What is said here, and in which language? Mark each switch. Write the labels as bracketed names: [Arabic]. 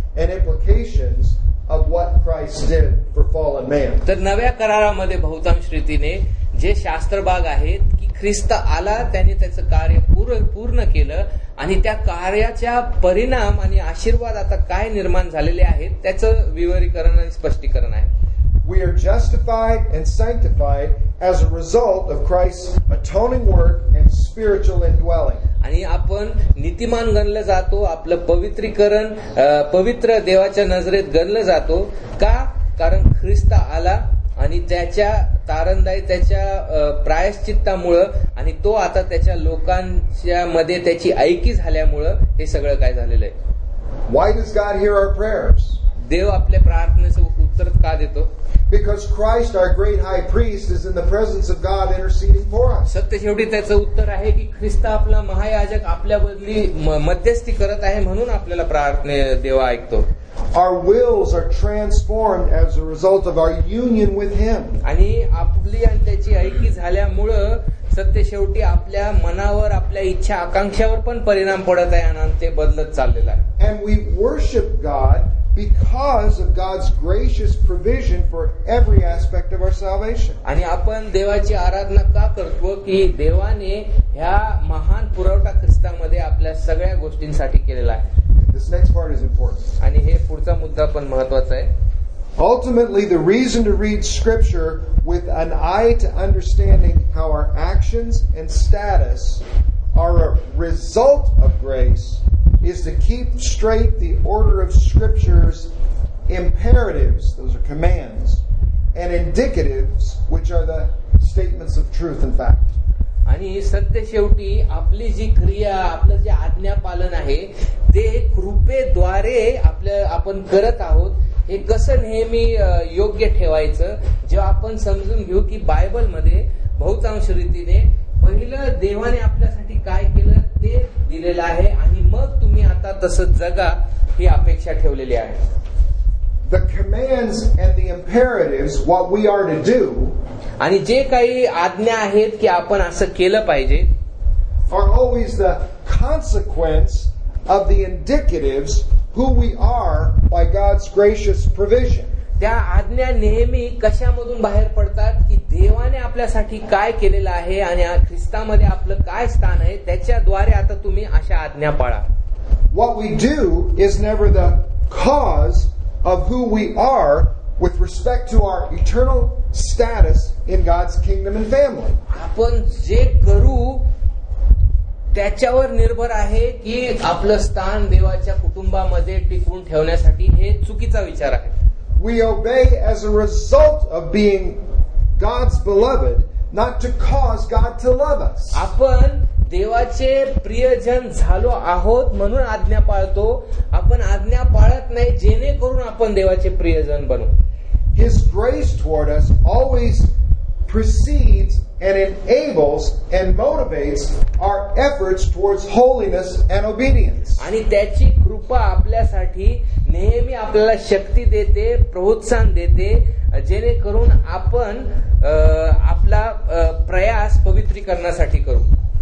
[English] and implications of what Christ did for fallen man. [Marathi] तर नव्या करारामध्ये बहुतांश रीतीने जे शास्त्र भाग आहेत की ख्रिस्त आला त्याने त्याचं कार्य पूर्ण केलं आणि त्या कार्याच्या परिणाम आणि आशीर्वाद आता काय निर्माण झालेले आहेत त्याचं विवरीकरण आणि स्पष्टीकरण आहे. [English] We are justified and sanctified as a result of Christ's atoning work and spiritual indwelling. [Marathi] आणि आपण नीतिमान गणले जातो, आपलं पवित्रीकरण पवित्र देवाच्या नजरेत गणले जातो का? कारण ख्रिस्त आला आणि त्याच्या तारणदायी त्याच्या प्रायश्चित्तामुळं आणि तो आता त्याच्या लोकांच्या मध्ये त्याची ऐकी झाल्यामुळं हे सगळं काय झालेलं आहे. [English] Why does God hear our prayers? [Marathi] देव आपल्या प्रार्थनेचं उत्तर का देतो? [English] Because Christ, our great high priest, is in the presence of God interceding for us. [Marathi] सत्य शेवटी त्याचं उत्तर आहे की ख्रिस्त आपला महायाजक आपल्या बदली मध्यस्थी करत आहे म्हणून आपल्याला प्रार्थने देव ऐकतो. [English] Our wills are transformed as a result of our union with him. [Marathi] आणि आपली आणि त्याची ऐकी झाल्यामुळे सत्य शेवटी आपल्या मनावर आपल्या इच्छा आकांक्षावर पण परिणाम पडत आहे आणि ते बदलत चाललेलं आहे. [English] And we worship God because of God's gracious provision for every aspect of our salvation. [Marathi] आणि आपण देवाची आराधना का करतो की देवाने ह्या महान पुरवठा ख्रिस्तामध्ये आपल्या सगळ्या गोष्टींसाठी केलेला आहे. [English] This next part is important. [Marathi] आणि हे पुढचा मुद्दा पण महत्त्वाचा आहे. [English] Ultimately, the reason to read scripture with an eye to understanding how our actions and status are a result of grace is to keep straight the order of scripture's imperatives, those are commands, and indicatives, which are the statements of truth and fact. [Marathi] आणि सत्य शेवटी आपली जी क्रिया आपलं जे आज्ञापालन आहे ते कृपेद्वारे आपल्या आपण करत आहोत हे कसं नेहमी योग्य ठेवायचं जेव्हा आपण समजून घेऊ की बायबलमध्ये बहुतांश रीतीने पहिलं देवाने आपल्यासाठी काय केलं ते दिलेलं आहे आणि मग तुम्ही आता तसं जगा ही अपेक्षा ठेवलेली आहे. [English] The commands and the imperatives, what we are to do, [Marathi] आणि जे काही आज्ञा आहेत की आपण असं केलं पाहिजे, [English] are always the consequence of the indicatives who we are by God's gracious provision. [Marathi] त्या आज्ञा नेहमी कशामधून बाहेर पडतात की देवाने आपल्यासाठी काय केलेलं आहे आणि ख्रिस्तामध्ये आपलं काय स्थान आहे त्याच्याद्वारे आता तुम्ही अशा आज्ञा पाळा. [English] What we do is never the cause of who we are with respect to our eternal status in God's kingdom and family. [Marathi] आपण जे करू त्याच्यावर निर्भर आहे की आपलं स्थान देवाच्या कुटुंबामध्ये टिकून ठेवण्यासाठी हे चुकीचा विचार आहे. [English] We obey as a result of being God's beloved, not to cause God to love us. [Marathi] आपण देवाचे प्रियजन झालो आहोत म्हणून आज्ञा पाळतो आपण आज्ञा पाळत नाही जेणेकरून आपण देवाचे प्रियजन बनू. [English] His grace toward us always precedes and enables and motivates our efforts towards holiness and obedience. [Marathi] आणि त्याची कृपा आपल्यासाठी नेहमी आपल्याला शक्ती देते प्रोत्साहन देते जेणेकरून आपण आपला प्रयास पवित्रीकरणासाठी करू.